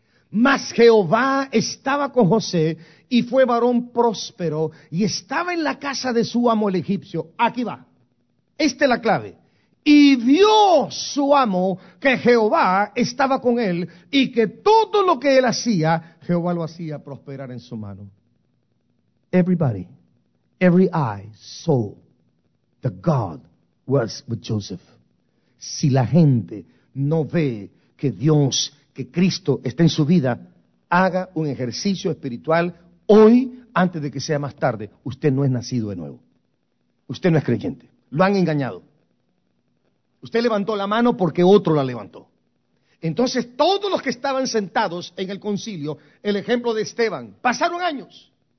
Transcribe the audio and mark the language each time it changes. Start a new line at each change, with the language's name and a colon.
Spanish: Mas Jehová estaba con José y fue varón próspero y estaba en la casa de su amo el egipcio. Aquí va. Esta es la clave. Y vio su amo que Jehová estaba con él y que todo lo que él hacía, Jehová lo hacía prosperar en su mano.
English: Everybody, every eye saw that God was with Joseph.
Spanish: Si la gente no ve que Dios, que Cristo está en su vida, haga un ejercicio espiritual hoy antes de que sea más tarde. Usted no es nacido de nuevo. Usted no es creyente. Lo han engañado. Usted levantó la mano porque otro la levantó. Entonces todos los que estaban sentados en el concilio, el ejemplo de Esteban, pasaron años.